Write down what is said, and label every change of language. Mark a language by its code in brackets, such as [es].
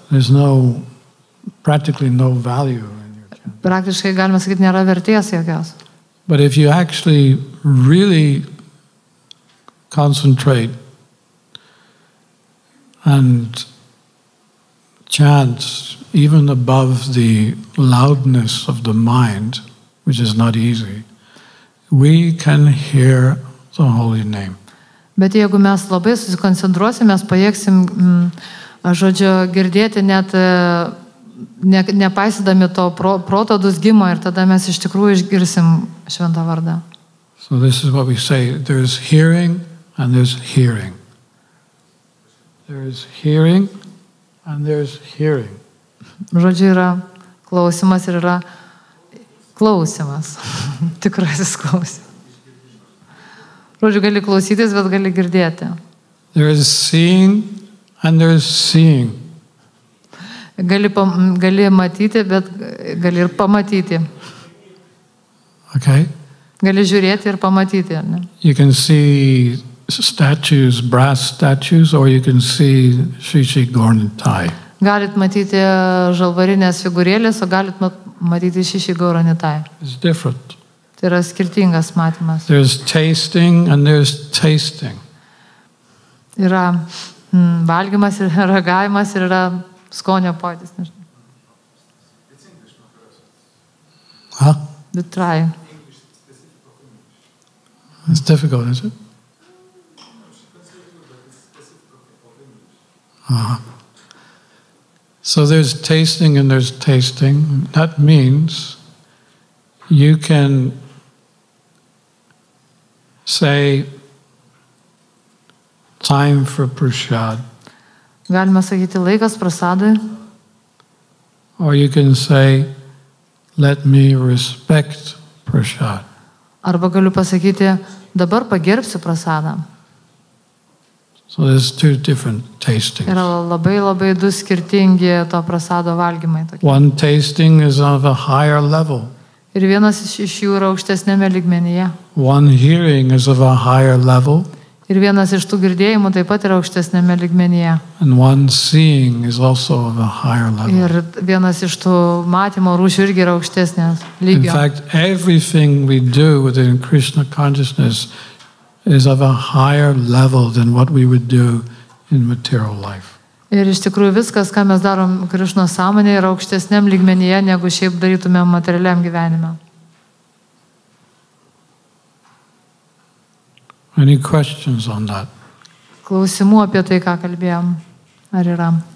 [en] There's no, practically no value in your chant. [lt] Praktiškai galima sakyti, nėra vertės jokios. [en] But if you actually really concentrate and chant even above the loudness of the mind, which is not easy, we can hear the holy name. [lt] Bet jeigu mes labai susikoncentruosim, mes pajėgsim, žodžiu, girdėti net nepaisydami to proto dūzgimo ir tada mes iš tikrųjų išgirsim šventą vardą. [en] So this is what we say, there's hearing and there's hearing. There's hearing and there's hearing. [lt] Žodžiu, yra klausimas ir yra klausimas. Tikrasis klausimas. Žodžiu, gali klausytis, bet gali girdėti. [en] There is seeing and there is seeing. [lt] Gali matyti, bet gali ir pamatyti. [en] Okay. [lt] Gali žiūrėti ir pamatyti, ne? [en] You can see statues, brass statues, or you can see Shri Shri Gauranitai. [lt] Galit matyti žalvarinės figūrėlės, o galit matyti Shri Gauranitai. [en] It's different. [lt] Tai yra skirtingas matymas. [en] There's tasting and there's tasting. [lt] Yra valgymas ir ragavimas ir yra skonio pojūtis, nežinau. [en] Huh? The try. It's difficult, is it? So there's tasting and there's tasting. That means you can say time for prasad. [lt] Galima sakyti laikas prasadui. [en] Or you can say let me respect prasad. [lt] Arba galiu pasakyti dabar pagerbsiu prasadą. [en] So there's two different tastings. [lt] Yra labai labai du skirtingi to prasado valgymai tokie. [en] One tasting is of a higher level. [lt] Ir vienas iš jų yra aukštesnėme lygmenyje. [en] One hearing is of a higher level. [lt] Ir vienas iš tų girdėjimų taip pat yra aukštesnėme lygmenyje. [en] And one seeing is also of a higher level. [lt] Ir vienas iš tų matymo rūšių irgi yra aukštesnės lygio. [en] In fact, everything we do within Krishna consciousness is of a higher level than what we would do in material life. [lt] Ir iš tikrųjų viskas, ką mes darom Krišno sąmonėje, yra aukštesnėm lygmenyje, negu šiaip darytumėm materialiam gyvenime. [en] Any questions on that? [lt] Klausimų apie tai, ką kalbėjom, ar yra?